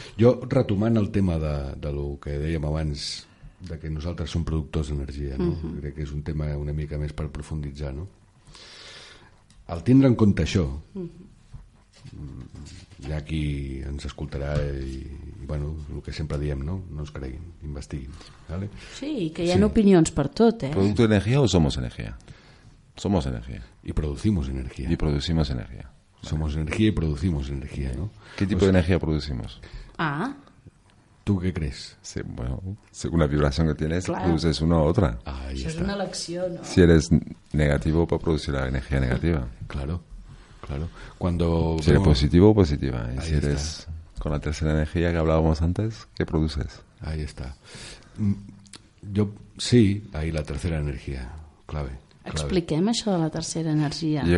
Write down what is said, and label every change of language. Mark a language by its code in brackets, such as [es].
[ca] Jo, retomant el tema de lo que dèiem abans, de que nosaltres som productors d'energia, no? Uh-huh. Crec que és un tema una mica més per profunditzar, no? Al tindre en compte això, ja qui ens escoltarà i bueno, el que sempre diem, no? No ens creguin, investiguin, ¿vale? Sí, que hi ha opinions per tot, eh? [es] ¿Producto de energía o somos energía? Somos energía. Y producimos energía. Y producimos energía. Somos energía y producimos energía, ¿no? ¿Qué tipo de energía producimos? Ah... ¿Tú qué crees? Sí, bueno, según la vibración que tienes, produces una u otra. Ahí está. Es una elección, ¿no? Si eres negativo, puedes producir la energía negativa. Claro. Cuando si eres positivo, positiva. Y ahí si eres está. Con la tercera energía que hablábamos antes, ¿qué produces? Ahí está. Yo, sí, ahí la tercera energía, clave. [ca] Expliquem això de la tercera energia.